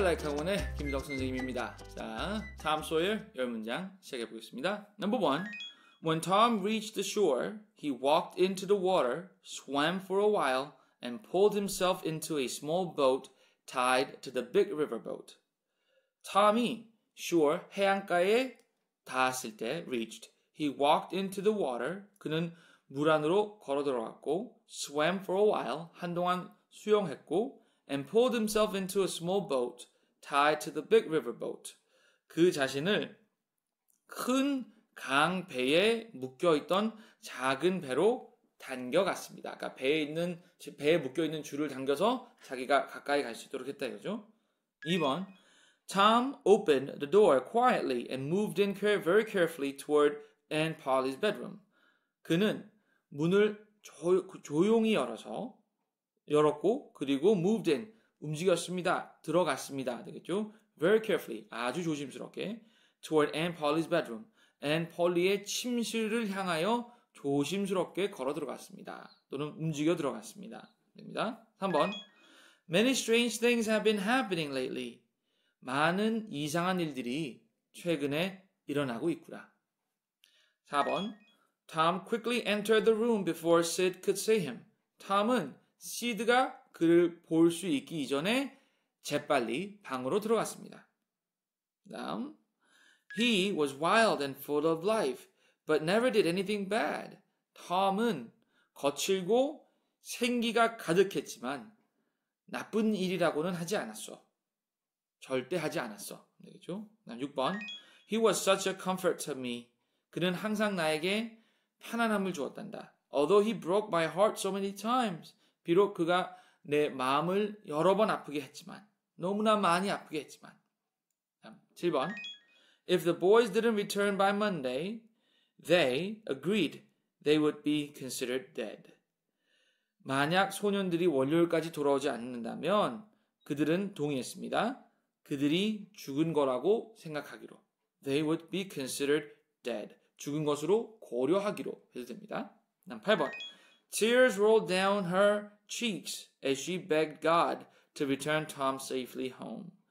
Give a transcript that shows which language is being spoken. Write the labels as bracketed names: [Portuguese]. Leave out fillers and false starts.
[Korean] 라이카곤의 김덕 선생님입니다. 자, 다음 소열 열 문장 시작해 보겠습니다. [English] Number one. When Tom reached the shore, he walked into the water, swam for a while, and pulled himself into a small boat tied to the big river boat. [Korean] Tom이 shore 해안가에 닿았을 때 reached. [English] He walked into the water. [Korean] 그는 물 안으로 걸어 들어갔고 [English] swam for a while [Korean] 한동안 수영했고 [English] and pulled himself into a small boat tied to the big river boat. [Korean] 그 자신을 큰 강 배에 묶여 있던 작은 배로 당겨갔습니다. 아까 배에 있는 배에 묶여 있는 줄을 당겨서 자기가 가까이 갈 수 있도록 했다 이거죠. 2번. [English] Tom opened the door quietly and moved in very carefully toward Aunt Polly's bedroom. [Korean] 그는 문을 조용히 열었고 그리고 [English] moved in [Korean] 움직였습니다. 들어갔습니다. 되겠죠? [English] Very carefully [Korean] 아주 조심스럽게 [English] toward Aunt Polly's bedroom. [Korean] Aunt Polly의 침실을 향하여 조심스럽게 걸어 들어갔습니다. 또는 움직여 들어갔습니다. 됩니다. 3번. [English] Many strange things have been happening lately. [Korean] 많은 이상한 일들이 최근에 일어나고 있구나. 4번. [English] Tom quickly entered the room before Sid could see him. [Korean] Tom은 시드가 그를 볼 수 있기 이전에 재빨리 방으로 들어갔습니다. 다음. [English] He was wild and full of life, but never did anything bad. [Korean] Tom은 거칠고 생기가 가득했지만 나쁜 일이라고는 하지 않았어. 절대 하지 않았어. 그렇죠? 난 6번. [English] He was such a comfort to me. [Korean] 그는 항상 나에게 편안함을 주었단다. [English] Although he broke my heart so many times. [Korean] 비록 그가 내 마음을 여러 번 아프게 했지만 너무나 많이 아프게 했지만. 7번. [English] If the boys didn't return by Monday, they agreed they would be considered dead. [Korean] 만약 소년들이 월요일까지 돌아오지 않는다면 그들은 동의했습니다. 그들이 죽은 거라고 생각하기로. [English] They would be considered dead. [Korean] 죽은 것으로 고려하기로 해도 됩니다. [English] 8번. Tears rolled down her cheeks as she begged God to return Tom safely home.